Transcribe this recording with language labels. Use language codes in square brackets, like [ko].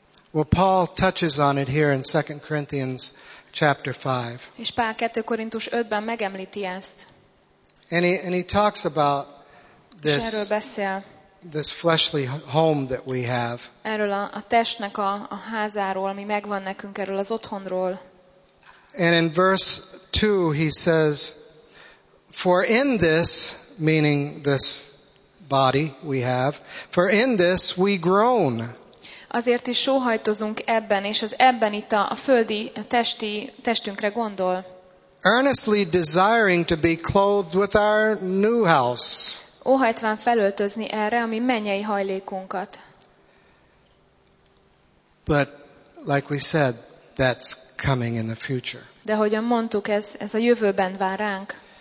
[en] Well, Paul touches on it here in 2 Corinthians chapter 5. [hu] És Pál 2 Korintus 5-ben megemlíti ezt. [en] And he talks about this. [hu] Erről beszél. [en] This fleshly home that we have. [hu] Erről a testnek a házáról, ami megvan nekünk, erről az otthonról. [en] And in verse 2 he says, for in this, meaning this body we have, for in this we groan. [hu] Azért is sóhajtozunk ebben, és az ebben itt a földi testünkre gondol. [en] Earnestly desiring to be clothed with our new house. [hu] Óhajtván felöltözni erre a mi mennyei hajlékunkat. [en] But like we said, that's coming in the future. [hu] De ahogyan mondtuk, ez a jövőben vár ránk.